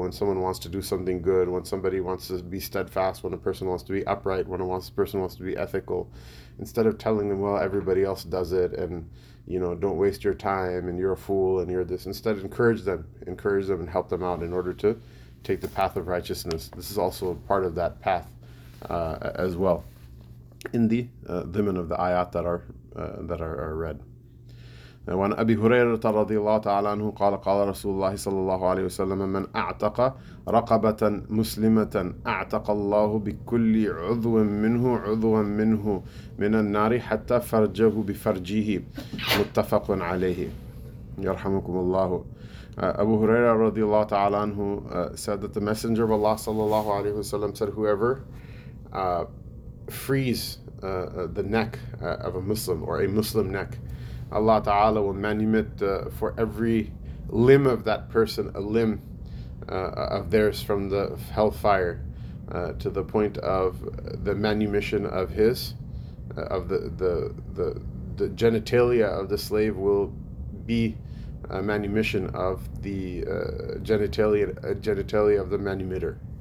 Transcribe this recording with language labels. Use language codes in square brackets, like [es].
[en] When someone wants to do something good, when somebody wants to be steadfast, when a person wants to be upright, when a person wants to be ethical, instead of telling them, well, everybody else does it, and you know, don't waste your time, and you're a fool, and you're this, instead encourage them and help them out in order to take the path of righteousness. This is also part of that path as well, in the dhimn of the ayat that are read. [ar] وعن أبي هريرة رضي الله تعالى عنه قال قال رسول الله صلى الله عليه وسلم من أعتق رقبة مسلمة أعتق الله بكل عضو منه عضوا منه من النار حتى فرجه بفرجه متفق عليه يرحمكم الله. [en] Abu Huraira رضي الله تعالى عنه said that the Messenger of Allah صلى الله عليه وسلم said, whoever frees the neck of a Muslim, or a Muslim neck, Allah Ta'ala will manumit for every limb of that person, a limb of theirs from the hellfire, to the point of the manumission of his, of the genitalia of the slave will be a manumission of the genitalia of the manumitter.